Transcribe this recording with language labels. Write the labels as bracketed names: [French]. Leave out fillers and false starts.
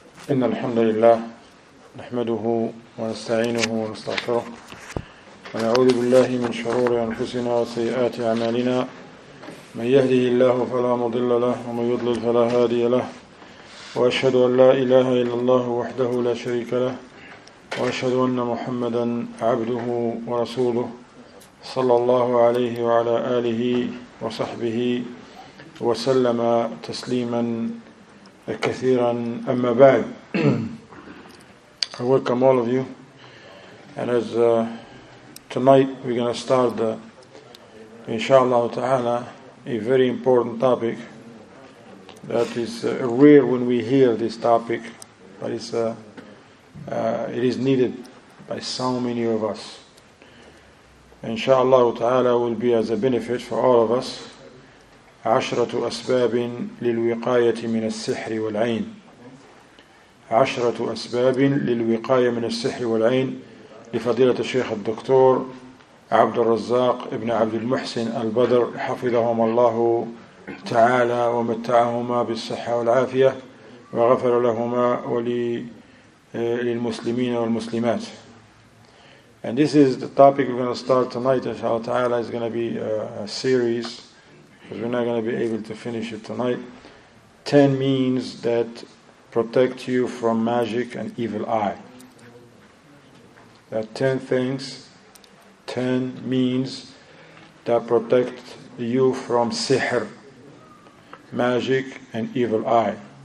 [Arabic] إن الحمد لله نحمده ونستعينه ونستغفره ونعوذ بالله من شرور أنفسنا وسيئات أعمالنا، من يهده الله فلا مضل له ومن يضلل فلا هادي له، وأشهد أن لا إله إلا الله وحده لا شريك له، وأشهد أن محمدا عبده ورسوله صلى الله عليه وعلى آله وصحبه وسلم تسليما كثيرا. أما بعد، [English] I welcome all of you, and as tonight we're going to start the inshallah ta'ala a very important topic that is rare when we hear this topic, but it's it is needed by so many of us. Inshallah ta'ala will be as a benefit for all of us. [Arabic] عشرة أسباب للوقاية من السحر والعين. عشرة أسباب للوقاية من السحر والعين لفضيلة الشيخ الدكتور عبد الرزاق ابن عبد المحسن البدر حفظهم الله تعالى ومتعهما بالصحة والعافية وغفر لهما وللمسلمين والمسلمات. [English] And this is the topic we're going to start tonight. Inshallah ta'ala is going to be a series, because we're not going to be able to finish it tonight. 10 means that protect you from magic and evil eye. There are 10 things, 10 means that protect you from sihr, magic and evil eye.